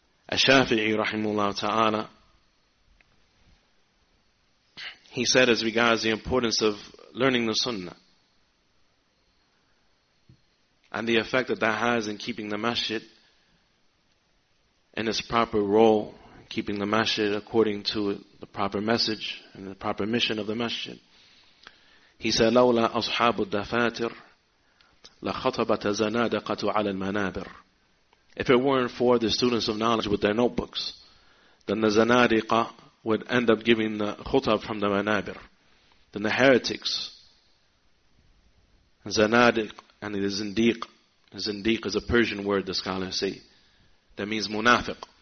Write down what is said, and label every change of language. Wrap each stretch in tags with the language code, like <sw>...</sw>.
<en>Al-Shafi'i rahimahullah ta'ala, he said as regards the importance of learning the sunnah and the effect that that has in keeping the masjid in its proper role, keeping the masjid according to the proper message and the proper mission of the masjid. He said,</en> <ar>لَوْلَا أَصْحَابُ الدَّفَاتِرِ لَخَطَبَتَ زَنَادَقَةُ عَلَى الْمَنَابِرِ.</ar> <en>If it weren't for the students of knowledge with their notebooks, then the zanadiqa would end up giving the khutab from the manabir. Then the heretics, zanadiq, and the zindiq, zindiq is a Persian word, the scholars say, that means munafiq.</en>